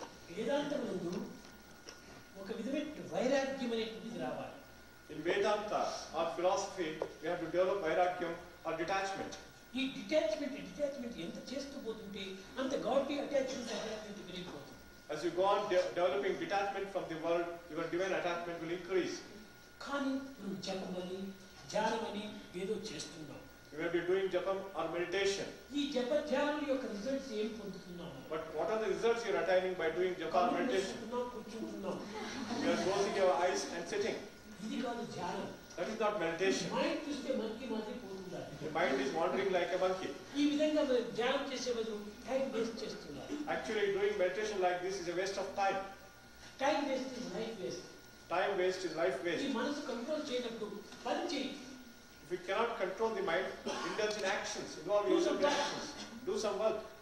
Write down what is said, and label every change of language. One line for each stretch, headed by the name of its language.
Telugu: వేదాంతం ముందు ఒక విధమైన వైరాగ్యం అనేటువంటిది రావాలి.
English: In Vedanta or philosophy we have to develop vairagyam or detachment.
Telugu: ఈ డిటాచ్మెంట్ ఎంత చేస్తూ పోతుంటే అంత గాడ్ అటాచ్మెంట్ అటాచ్మెంట్ పెరిగిపోతుంది.
English: As you go on developing detachment from the world, your divine attachment will increase.
Telugu: కానీ జపమని, ధ్యానమని ఏదో చేస్తున్నాం.
English: You may be doing japam or meditation.
Telugu: ఈ జప ధ్యానం యొక్క రిజల్ట్స్ ఏం పొందుతున్నాము?
English: But what are the results you are attaining by doing japa or meditation?
Telugu: కూర్చుంటున్నాం.
English: You are closing your eyes and sitting.
Telugu: ఇది కాదు ధ్యానం.
English: That is not meditation.
Telugu: Mind చూస్తే మంకీ మాదిరి పోతుంది.
English: Your mind is wandering like a monkey.
Telugu: ఈ విధంగా ధ్యానం చేసే బదులు టైం వేస్ట్ చేస్తున్నారు.
English: Actually doing meditation like this is a waste of time. Time waste is life waste. Time waste is life waste.
Telugu: ఈ మనసు కంట్రోల్ చేయనప్పుడు పని చేయి.
English: If we cannot control the mind, indulge in actions, involve yourself in actions, do some work.